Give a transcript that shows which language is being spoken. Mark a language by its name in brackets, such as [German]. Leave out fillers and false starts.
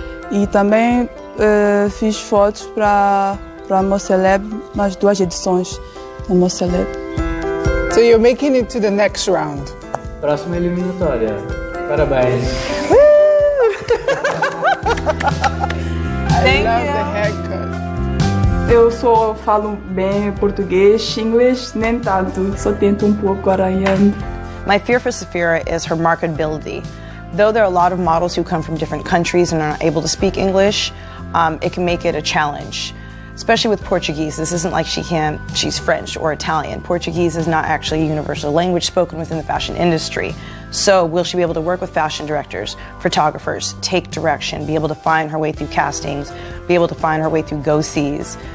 [Portuguese] E também fiz fotos para a Moceleb nas duas edições da Moceleb. [English] So you're making it to the next round. [Portuguese] Próxima eliminatória. Parabéns. [English] Thank you. I love the haircut. [Portuguese] Eu só falo bem português, inglês, nem tanto. Só tento um pouco aranhando. [English] My fear for Safira is her marketability. though there are a lot of models who come from different countries and are not able to speak English, it can make it a challenge, especially with Portuguese. This isn't like she's French or Italian. Portuguese is not actually a universal language spoken within the fashion industry. So will she be able to work with fashion directors, photographers, take direction, be able to find her way through castings, be able to find her way through go-sees?